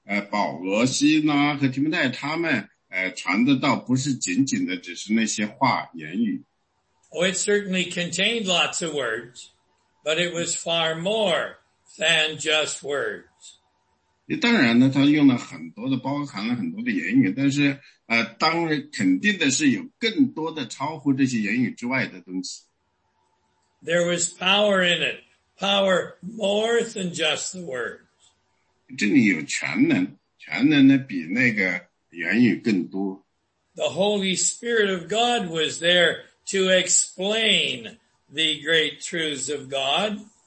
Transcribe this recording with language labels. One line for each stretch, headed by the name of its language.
Chinese: 保罗、希拉和提摩太他们传的道不是仅仅的只是那些话言语。
English: Oh, it certainly contained lots of words, but it was far more than just words.
Chinese: 当然呢，他用了很多的，包含了很多的言语，但是，当然肯定的是有更多的超乎这些言语之外的东西。
English: There was power in it, power more than just the words.
Chinese: 这里有全能，全能呢比那个言语更多。
English: The Holy Spirit of God was there to explain the great truths of God.